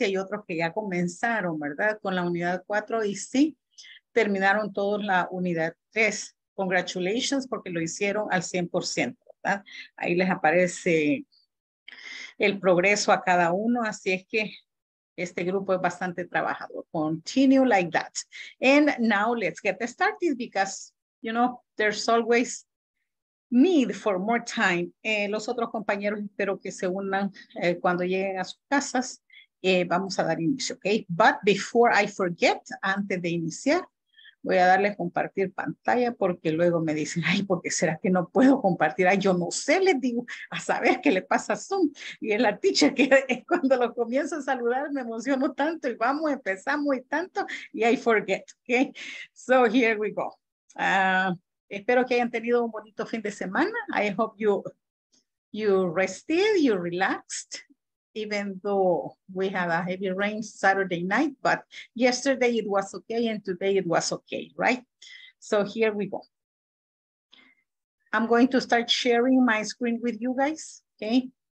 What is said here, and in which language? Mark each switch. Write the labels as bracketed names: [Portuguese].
[Spanish] Y hay otros que ya comenzaron, ¿verdad? Con la unidad 4 y sí, terminaron todos la unidad 3. [English] Congratulations, [Spanish] porque lo hicieron al 100%, ¿verdad? Ahí les aparece el progreso a cada uno, así es que este grupo es bastante trabajador. [English] Continue like that. And now let's get started because, you know, there's always need for more time. [Spanish] Los otros compañeros espero que se unan cuando lleguen a sus casas. Vamos a dar inicio, okay? [English] But before I forget, [Spanish] antes de iniciar, voy a darle compartir pantalla porque luego me dicen, ay, ¿por qué será que no puedo compartir? Ay, yo no sé, les digo, a saber qué le pasa a Zoom. Y es la teacher que es cuando lo comienzo a saludar, me emociono tanto y vamos, empezamos y tanto, y [English] I forget, [Spanish] okay? [English] So here we go. [Spanish] Espero que hayan tenido un bonito fin de semana. [English] I hope you rested, you relaxed, even though we had a heavy rain Saturday night, but yesterday it was okay and today it was okay, right? So here we go. I'm going to start sharing my screen with you guys, okay?